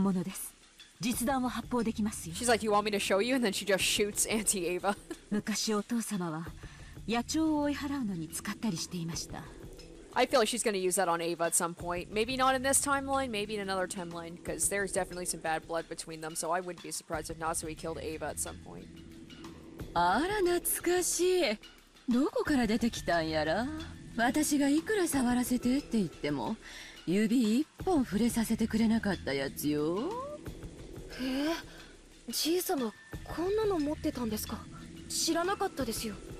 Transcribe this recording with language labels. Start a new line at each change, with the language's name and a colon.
Japanese: それは金蔵さんの銃ですな。ご存知でしたか。そうです。お父様の古いコレクションの中にあったことを思い出し、探し出してきました。ひゅー。すっげー。夏代おばさん、それ本物なんすか。ええ、本物です。実弾を発砲できますよ。
English: She's like, you want me to show you? And then she just shoots Auntie Ava.
Japanese: 昔お父様は野鳥を追い払うのに使ったりしていました。
English: I feel like she's going to use that on Ava at some point. Maybe not in this timeline, maybe in another timeline, because there's definitely some bad blood between them, so I wouldn't be surprised if Natsui killed Ava at some point.
Japanese: あら、懐かしい。どこから出てきたんやら?私がいくら触らせてって言っても、指一本触れさせてくれなかったやつよ。へえ、じいさま、こんなの持ってたんですか?知らなかったですよ。